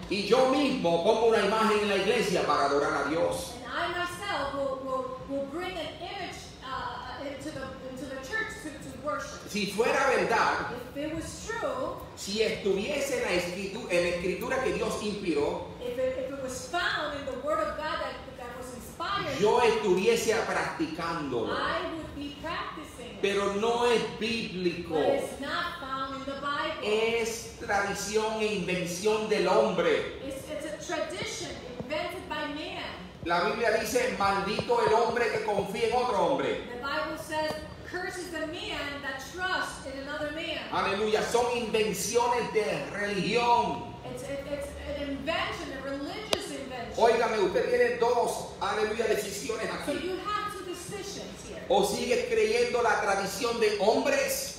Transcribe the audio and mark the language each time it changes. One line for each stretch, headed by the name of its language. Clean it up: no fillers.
Spanish: Y yo mismo pongo una imagen en la iglesia para adorar a Dios.
English: I myself will bring an image into the church to worship.
Spanish: Si fuera verdad,
English: if it was true,
Spanish: si estuviese en la escritura que Dios inspiró,
English: if it was found in the word of God that was inspired,
Spanish: yo estuviese practicando.
English: I would be practicing.
Spanish: Pero no es bíblico.
English: But it's not found in the Bible.
Spanish: Es tradición e invención del hombre.
English: It's a tradition invented by man.
Spanish: La Biblia dice, maldito el hombre que confía en otro hombre.
English: The Bible says, curses the man that trusts in another man.
Spanish: Aleluya, son invenciones de religión.
English: It's an invention, a religious invention.
Spanish: Óigame, usted tiene dos, aleluya, decisiones aquí.
English: So you have two decisions here.
Spanish: O sigue creyendo la tradición de hombres.